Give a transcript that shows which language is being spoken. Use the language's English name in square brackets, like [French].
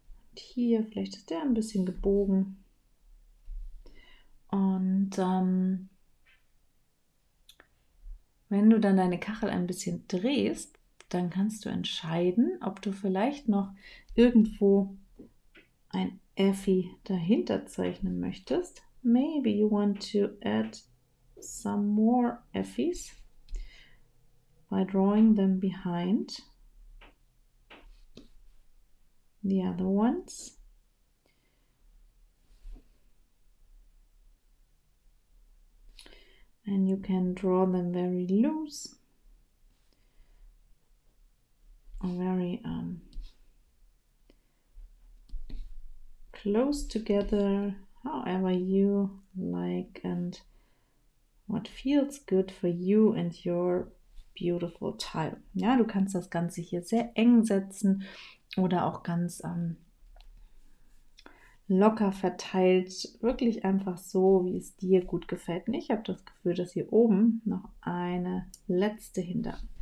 [German] Und hier, vielleicht ist der ein bisschen gebogen. Und wenn du dann deine Kachel ein bisschen drehst, dann kannst du entscheiden, ob du vielleicht noch irgendwo ein Effi dahinter zeichnen möchtest. [English] Maybe you want to add some more Effis by drawing them behind the other ones. And you can draw them very loose or very close together, however you like and what feels good for you and your beautiful tile. [German] Ja, du kannst das Ganze hier sehr eng setzen oder auch ganz locker verteilt, wirklich einfach so, wie es dir gut gefällt. Und ich habe das Gefühl, dass hier oben noch eine letzte hinter.